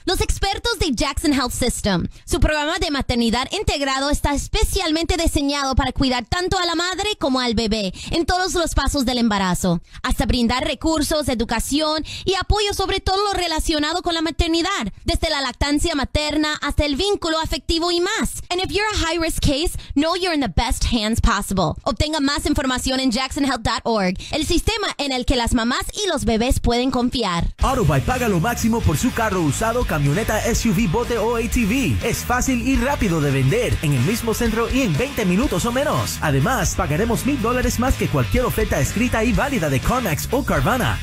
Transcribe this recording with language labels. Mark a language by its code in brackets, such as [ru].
[es] Los expertos de Jackson Health System. Su programa de maternidad integrado está especialmente diseñado para cuidar tanto a la madre como al bebé en todos los pasos del embarazo. Hasta brindar recursos, educación y apoyo sobre todo lo relacionado con la maternidad. Desde la lactancia materna hasta el vínculo afectivo y más. [en] And if you're a high-risk case, know you're in the best hands possible. [es] Obtenga más información en jacksonhealth.org. El sistema en el que las mamás y los bebés pueden confiar. Autobuy paga lo máximo por su carro usado, camioneta, SUV, bote o ATV. Es fácil y rápido de vender en el mismo centro y en 20 minutos o menos. Además, pagaremos $1,000 más que cualquier oferta escrita y válida de CarMax o Carvana.